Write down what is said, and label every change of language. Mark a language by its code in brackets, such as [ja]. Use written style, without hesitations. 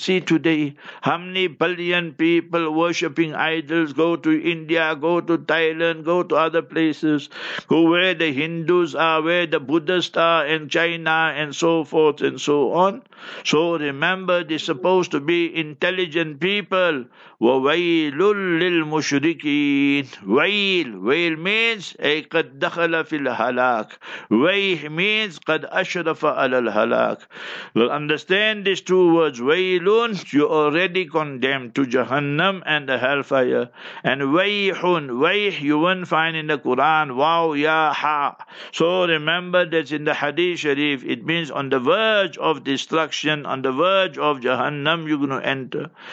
[en] See today, how many billion people worshipping idols go to India, go to Thailand, go to other places, go where the Hindus are, where the Buddhists are, in China and so forth and so on. So remember, they're supposed to be intelligent people. [ar] وَوَيْلٌ لِلْمُشْرِكِينَ [en] Wail means [ar] أي قَدْ دَخَلَ فِي الْهَلَاكِ Wail means قَدْ أَشْرَفَ عَلَى الْهَلَاكِ [en] Well, understand these two words. Wailun, you already condemned to Jahannam and the hellfire. And Waihun, Waih, you won't find in the Quran. Wow, ya ha. So remember that in the Hadith Sharif, it means on the verge of destruction, on the verge of Jahannam, you're going to enter.